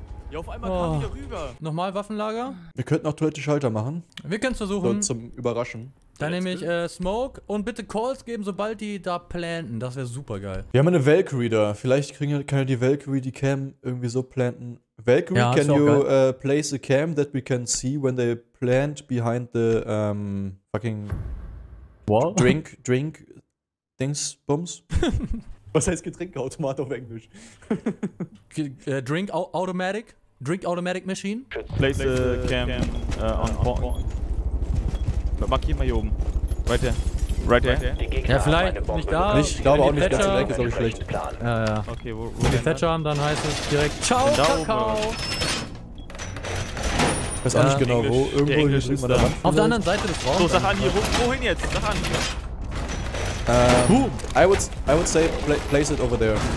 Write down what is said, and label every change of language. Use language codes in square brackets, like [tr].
[de] Ja, auf einmal kam hier rüber. Nochmal Waffenlager. Wir könnten auch Toilette Schalter machen. Wir können es versuchen. So, zum Überraschen. Dann nehme ich Smoke und bitte Calls geben, sobald die da planten. Das wäre super geil. Wir haben eine Valkyrie da. Vielleicht kann die Valkyrie die Cam irgendwie so planten. [en] Valkyrie, ja, can you place a cam that we can see when they plant behind the fucking wall? [de] Drink Dings Bums? Was heißt Getränkeautomat auf Englisch? [en] Drink Automatic Machine? Place a cam on point. [de] Markier mal hier oben. [en] Right there. [de] Ja, vielleicht nicht da. Ich glaube auch nicht, ganz ist, glaube ich, schlecht. Ja, ja. Okay, wenn wir Thatcher haben, dann heißt es direkt Ciao, Kakao. Ich weiß auch nicht genau, wo. Irgendwo hier ist man da. Auf der anderen Seite des Raums. So, sag an hier, wohin jetzt? Sag an. [en] I would say place it over there.